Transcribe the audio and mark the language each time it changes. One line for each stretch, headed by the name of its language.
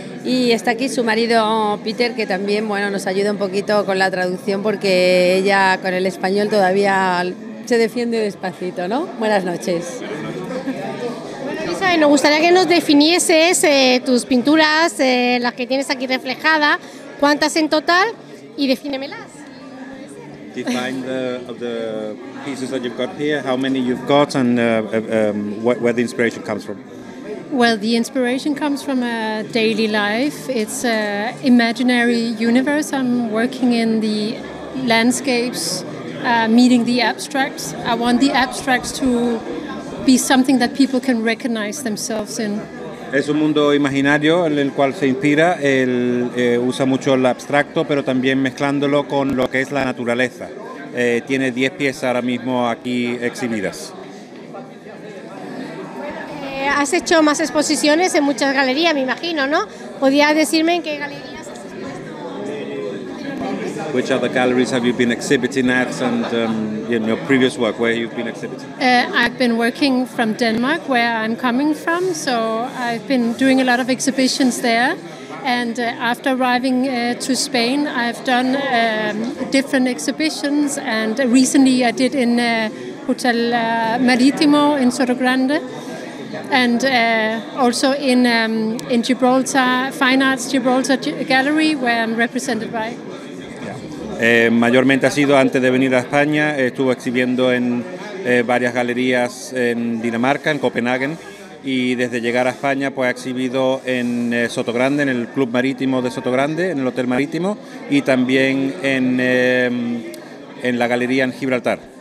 Spanish: Y está aquí su marido Peter, que también, bueno, nos ayuda un poquito con la traducción, porque ella con el español todavía se defiende despacito, ¿no? Buenas noches. Bueno, Isabel, nos gustaría que nos definieses tus pinturas, las que tienes aquí reflejadas, cuántas en total, y defínemelas.
English: Define the pieces that you've got here, how many you've got, and where the inspiration comes from. Well, the inspiration comes from a daily life. It's an imaginary universe. I'm working in the landscapes, meeting the abstracts. I want the abstracts to be something that people can recognize themselves in.
Spanish: Es un mundo imaginario en el cual se inspira. Él usa mucho el abstracto, pero también mezclándolo con lo que es la naturaleza. Tiene 10 piezas ahora mismo aquí exhibidas. Has hecho más exposiciones en muchas galerías, me imagino, ¿no? ¿Podrías decirme en qué galerías has expuesto?
English: Which other galleries have you been exhibiting at, and in your previous work, where you've been exhibiting? I've been working from Denmark, where I'm coming from, so I've been doing a lot of exhibitions there. And after arriving to Spain, I've done different exhibitions, and recently I did in Hotel Marítimo in Sotogrande. And also in Gibraltar, Fine Arts Gibraltar Gallery, where I'm represented by.
Spanish: Mayormente ha sido antes de venir a España, estuvo exhibiendo en varias galerías en Dinamarca, en Copenhague, y desde llegar a España pues ha exhibido en Sotogrande, en el Club Marítimo de Sotogrande, en el Hotel Marítimo, y también en la galería en Gibraltar.